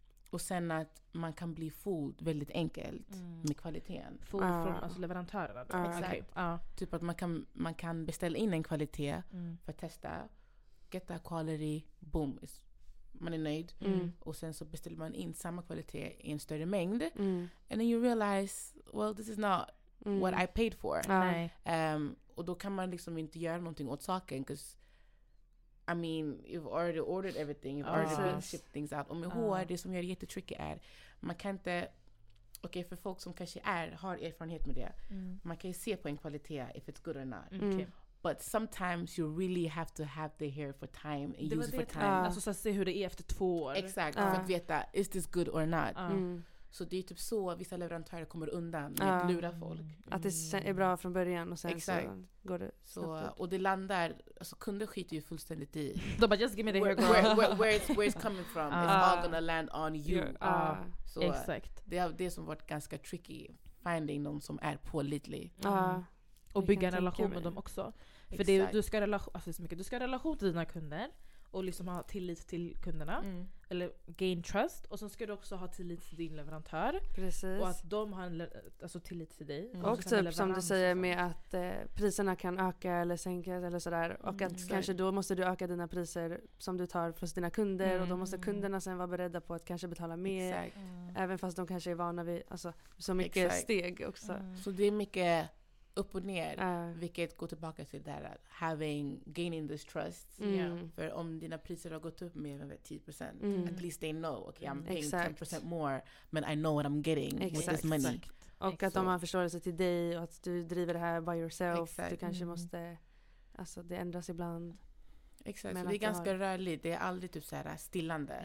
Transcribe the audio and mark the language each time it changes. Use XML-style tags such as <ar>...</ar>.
<sv>Och sen att man kan bli fooled väldigt enkelt med kvaliteten. Fooled från alltså leverantörerna. Typ att man kan beställa in en kvalitet för att testa.</sv> <en>Get that quality, boom.</en> <sv>Man är nöjd. Och sen så beställer man in samma kvalitet i en större mängd.</sv> <en>And then you realize, well this is not what I paid for.</en> <sv>Och då kan man liksom inte göra någonting åt saken,</sv> <en>because I mean you've already ordered everything, you've already been shipped things out.</en> <sv>Och med hår, det som gör det jättetricky är man kan inte, okej, för folk som kanske har erfarenhet med det, man kan ju se på en kvalitet</sv> <en>if it's good or not. But sometimes you really have to have the hair for time and use it for time.</en> <sv>Alltså så att se hur det är efter 2 år. Exakt, för att veta,</sv> <en>is this good or not?</en> <sv>Så det är typ så vissa leverantörer kommer undan med att lura folk. Att det är bra från början och sen så går det så. Och det landar, alltså kunder skiter ju fullständigt i. De bara,</sv> <en>just give me the hair. Where it's coming from? It's all gonna land on you.</en> <sv>Så exakt. Det är det som varit ganska tricky. Finding någon som är pålitlig. Och bygga en relation med dem också. För det, du ska ha relation till dina kunder. Och liksom ha tillit till kunderna. Eller</sv> <en>gain trust.</en> <sv>Och så ska du också ha tillit till din leverantör. Precis. Och att de har alltså tillit till dig. Och typ som du säger med att priserna kan öka eller sänkas eller sådär. Och att kanske då måste du öka dina priser som du tar från dina kunder. Och då måste kunderna sen vara beredda på att kanske betala mer. Även fast de kanske är vana vid så mycket steg också. Så det är mycket upp och ner, vilket går tillbaka till det här,</sv> <en>gaining this trust.</en> <sv>För om dina priser har gått upp med 10%,</sv> <en>at least they know, okay, I'm paying 10% more, but I know what I'm getting with this money.</en> <sv>Och att de har förståelse till dig och att du driver det här</sv> <en>by yourself.</en> <sv>Du kanske måste, det ändras ibland. Exakt, men så det är ganska rörligt, det är aldrig typ så här stillande.</sv>